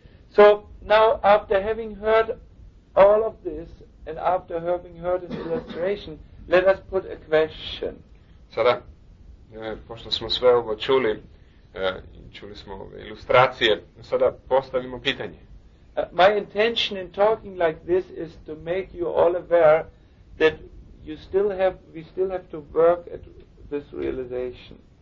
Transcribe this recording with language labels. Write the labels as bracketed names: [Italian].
[English] So, now, after having heard all of this, and after having heard an illustration, let us put a question. [Croatian] Sada, pošto smo sve ovo čuli, čuli smo ove ilustracije, sada postavimo pitanje. [English] My intention in talking like this is to make you all aware that we still have to work at this realization.